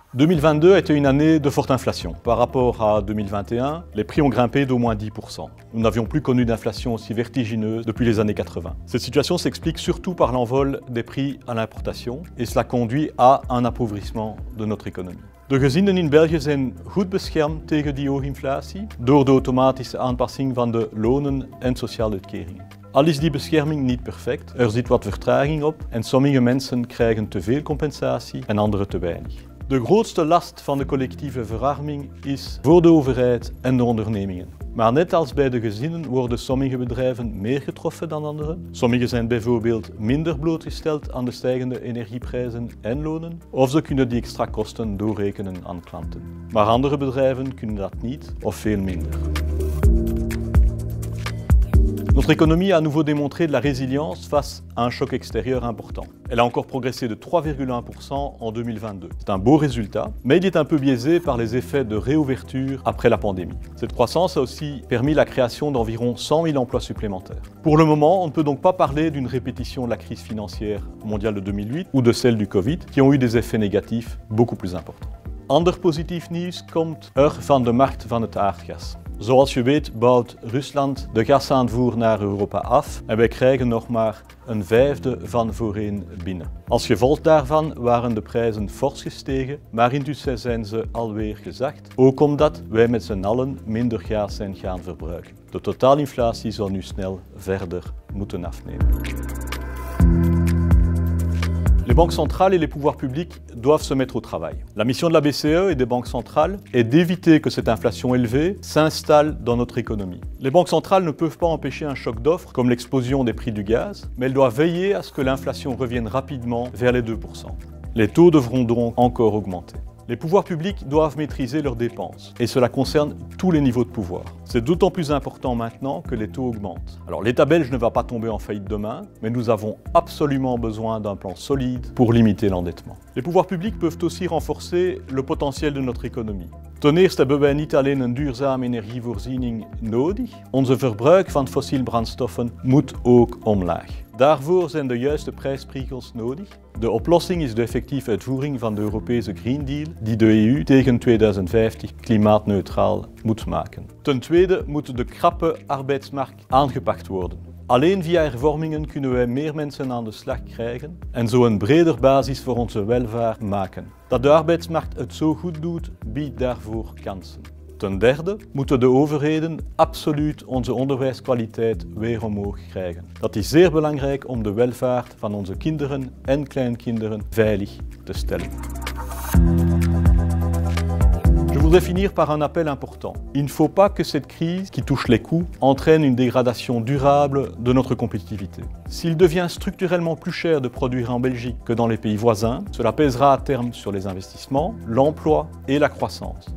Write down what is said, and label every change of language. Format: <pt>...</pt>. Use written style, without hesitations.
<fr>2022 a été une année de forte inflation. Par rapport à 2021, les prix ont grimpé d'au moins 10%. Nous n'avions plus connu d'inflation aussi vertigineuse depuis les années 80. Cette situation s'explique surtout par l'envol des prix à l'importation et cela conduit à un appauvrissement de notre économie.</fr> <nl>De gezinnen in België zijn goed beschermd tegen die hoge inflatie door de automatische aanpassing van de lonen en sociale uitkeringen. Al is die bescherming niet perfect, er zit wat vertraging op en sommige mensen krijgen te veel compensatie en anderen te weinig. De grootste last van de collectieve verarming is voor de overheid en de ondernemingen. Maar net als bij de gezinnen worden sommige bedrijven meer getroffen dan anderen. Sommige zijn bijvoorbeeld minder blootgesteld aan de stijgende energieprijzen en lonen. Of ze kunnen die extra kosten doorrekenen aan klanten. Maar andere bedrijven kunnen dat niet of veel minder.</nl> <fr>Notre économie a à nouveau démontré de la résilience face à un choc extérieur important. Elle a encore progressé de 3,1% en 2022. C'est un beau résultat, mais il est un peu biaisé par les effets de réouverture après la pandémie. Cette croissance a aussi permis la création d'environ 100 000 emplois supplémentaires. Pour le moment, on ne peut donc pas parler d'une répétition de la crise financière mondiale de 2008 ou de celle du Covid, qui ont eu des effets négatifs beaucoup plus importants.</fr> <nl>Ander positief nieuws komt er van de markt van het aardgas. Zoals je weet bouwt Rusland de gasaanvoer naar Europa af en wij krijgen nog maar een vijfde van voorheen binnen. Als gevolg daarvan waren de prijzen fors gestegen, maar intussen zijn ze alweer gezakt, ook omdat wij met z'n allen minder gas zijn gaan verbruiken. De totaalinflatie zal nu snel verder moeten afnemen.</nl> <fr>Les banques centrales et les pouvoirs publics doivent se mettre au travail. La mission de la BCE et des banques centrales est d'éviter que cette inflation élevée s'installe dans notre économie. Les banques centrales ne peuvent pas empêcher un choc d'offres comme l'explosion des prix du gaz, mais elles doivent veiller à ce que l'inflation revienne rapidement vers les 2%. Les taux devront donc encore augmenter. Les pouvoirs publics doivent maîtriser leurs dépenses et cela concerne tous les niveaux de pouvoir. C'est d'autant plus important maintenant que les taux augmentent. Alors l'État belge ne va pas tomber en faillite demain, mais nous avons absolument besoin d'un plan solide pour limiter l'endettement. Les pouvoirs publics peuvent aussi renforcer le potentiel de notre économie.</fr> <nl>Ten eerste hebben wij niet alleen een duurzame energievoorziening nodig, onze verbruik van fossiele brandstoffen moet ook omlaag. Daarvoor zijn de juiste prijsprikkels nodig. De oplossing is de effectieve uitvoering van de Europese Green Deal, die de EU tegen 2050 klimaatneutraal moet maken. Ten tweede moet de krappe arbeidsmarkt aangepakt worden. Alleen via hervormingen kunnen wij meer mensen aan de slag krijgen en zo een breder basis voor onze welvaart maken. Dat de arbeidsmarkt het zo goed doet, biedt daarvoor kansen. Ten derde moeten de overheden absoluut onze onderwijskwaliteit weer omhoog krijgen. Dat is zeer belangrijk om de welvaart van onze kinderen en kleinkinderen veilig te stellen.</nl> <fr>Je voudrais finir par un appel important. Il ne faut pas que cette crise, qui touche les coûts, entraîne une dégradation durable de notre compétitivité. S'il devient structurellement plus cher de produire en Belgique que dans les pays voisins, cela pèsera à terme sur les investissements, l'emploi et la croissance.</fr>